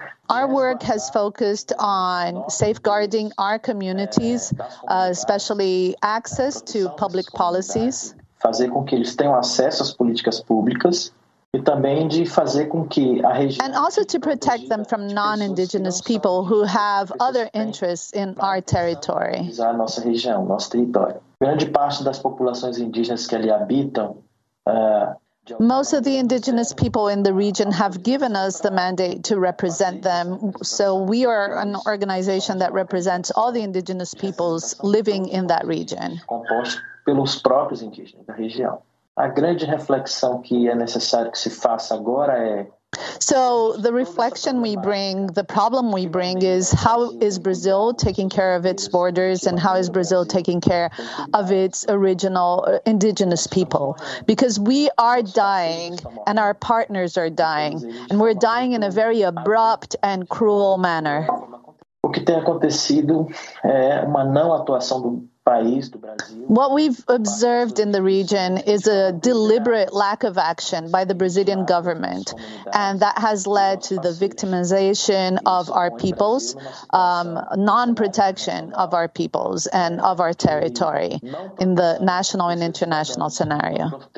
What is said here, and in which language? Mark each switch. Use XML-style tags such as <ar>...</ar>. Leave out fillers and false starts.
<en>Our work has focused on safeguarding our communities, especially access to public policies,</en> <pt>fazer com que eles tenham acesso às políticas públicas.</pt> <en>And also to protect them from non-indigenous people who have other interests in our territory. Most of the indigenous people in the region have given us the mandate to represent them. So we are an organization that represents all the indigenous peoples living in that region.</en> <pt>Pelos próprios indígenas da região. A grande reflexão que é necessário que se faça agora é...</pt> <en>So the reflection we bring, the problem we bring is how is Brazil taking care of its borders and how is Brazil taking care of its original indigenous people? Because we are dying and our partners are dying and we're dying in a very abrupt and cruel manner.</en> <pt>O que tem acontecido é uma não atuação do...</pt> <en>What we've observed in the region is a deliberate lack of action by the Brazilian government, and that has led to the victimization of our peoples, non-protection of our peoples and of our territory in the national and international scenario.</en>